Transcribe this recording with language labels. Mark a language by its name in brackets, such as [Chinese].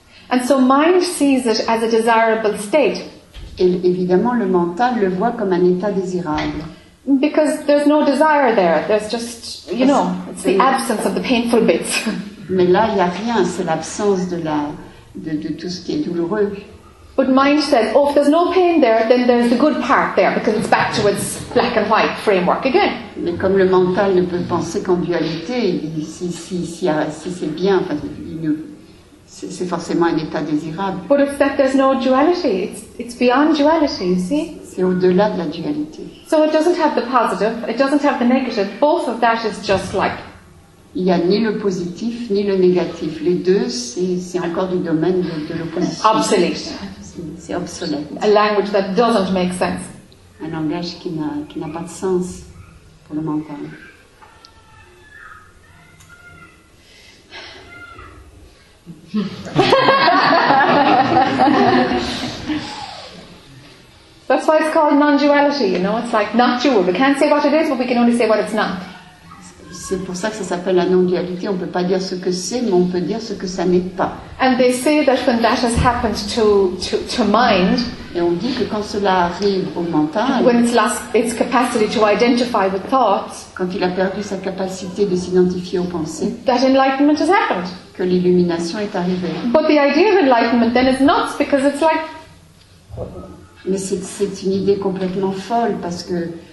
[English] And so mind sees it as a desirable state. [French] Et évidemment, le mental le voit comme un état désirable. [English] Because there's no desire there. There's just, you know, it's the absence of the painful bits. [French] Mais là, il n'y a rien. C'est l'absence de tout ce qui est douloureux. [English] But mind says, oh, if there's no pain there, then there's the good part there, because it's back to its black and white framework again. [French] Mais comme le mental ne peut penser qu'en dualité, si c'est bien, c'est forcément un état désirable. [English] But it's that there's no duality. It's beyond duality, you see? [French] C'est au-delà de la dualité. [English] So it doesn't have the positive, it doesn't have the negative. Both of that is just like... [French] Il n'y a ni le positif, ni le négatif. Les deux, c'est encore du domaine de l'opposition. [English] Obsolete. [French] C'est obsolète. [English] A language that doesn't make sense. [French] Un langage qui n'a pas de sens pour le mental. [English] That's why it's called non-duality, you know? It's like not dual. We can't say what it is, but we can only say what it's not. [French] C'est pour ça que ça s'appelle la non-dualité. On ne peut pas dire ce que c'est, mais on peut dire ce que ça n'est pas. [English] And they say that when that has happened to mind, [French] et on dit que quand cela arrive au mental, [English] when it's lost its capacity to identify with thoughts, [French] quand il a perdu sa capacité de s'identifier aux pensées, [English] that enlightenment has happened. [French] Que l'illumination est arrivée. [English] But the idea of enlightenment then is nuts because it's like... [French] Mais c'est une idée complètement folle parce que...